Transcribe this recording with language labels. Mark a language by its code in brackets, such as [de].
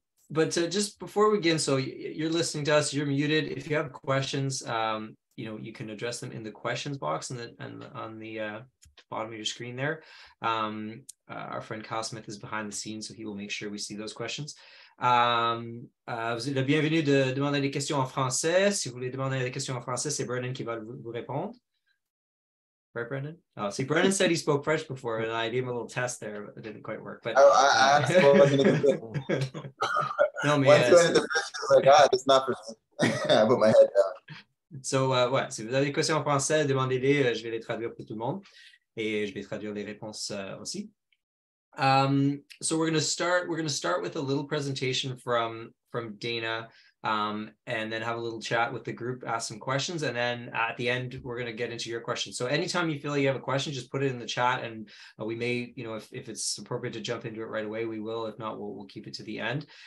[en] But to just before we begin, so you're listening to us, you're muted. If you have questions, you know, you can address them in the questions box on the bottom of your screen there. Our friend Kyle Smith is behind the scenes, so he will make sure we see those questions. [fr] Vous êtes le bienvenu de demander des questions en français. Si vous voulez demander des questions en français, c'est Brendon qui va vous répondre. [en] Right, Brendon? Oh, see, Brendon said he spoke French before, and I gave him a little test there, but it didn't quite work. But no, man. Once you went into French, I was like, it's not for me. I put my head down. [fr] So, ouais, si vous avez des questions en français, demandez-les, je vais les traduire pour tout le monde. Et je vais traduire les réponses aussi. [en] So we're going to start with a little presentation from Dana, and then have a little chat with the group, ask some questions, and then at the end we're going to get into your questions. So anytime you feel like you have a question, just put it in the chat, and we may, you know, if it's appropriate to jump into it right away, we will. If not, we'll keep it to the end.